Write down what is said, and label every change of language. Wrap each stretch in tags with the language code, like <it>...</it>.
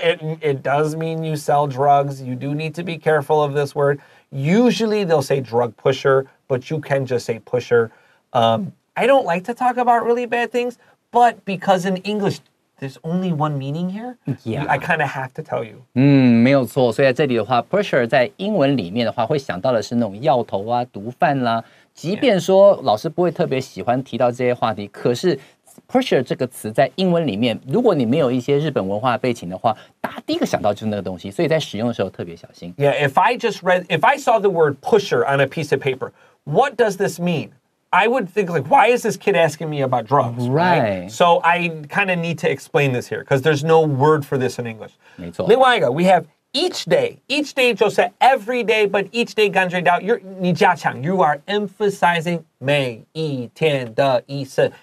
<en>It does mean you sell drugs. You do need to be careful of this word. Usually they'll say drug pusher. But you can just say pusher. I don't like to talk about really bad things, but because in English, there's only one meaning here, I kind of have to tell you.</en> <zh>没有错。所以在这里的话 ,pusher 在英文里面的话会想到的是那种药头啊毒贩啦。即便说老师不会特别喜欢提到这些话题可是 pusher 这个词在英文里面如果你没有一些日本文化背景的话大家第一个想到就是那个东西所以在使用的时候特别小心。</zh> <en>Yeah, if I saw the word pusher on a piece of paper,What does this mean? I would think, like, why is this kid asking me about drugs? Right. So I kind of need to explain this here because there's no word for this in English.</en> <zh>没错。另外一个，</zh> <en>we have each day. Each day 就是 every day, but each day</en> <zh>感觉到 你加强</zh> <en>You are emphasizing</en> <zh>每一天的意思。</zh>